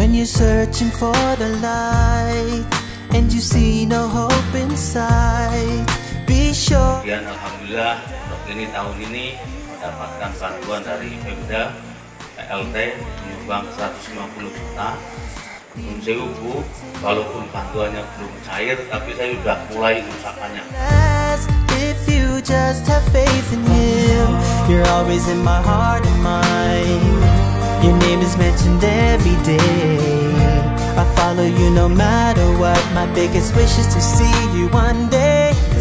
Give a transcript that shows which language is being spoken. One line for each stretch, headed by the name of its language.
English: searching for the light, and you see no hope inside. Be sure.
Indonesian: Dan alhamdulillah untuk ini tahun ini mendapatkan bantuan dari Pemda PLT menyumbang 150 juta. Sewu, walaupun bantuannya belum cair, tapi saya sudah mulai usahanya.
English: If you just have faith in him, you're always in my heart and mind. Your name is mentioned every day. I follow you no matter what. My biggest wish is to see you one day.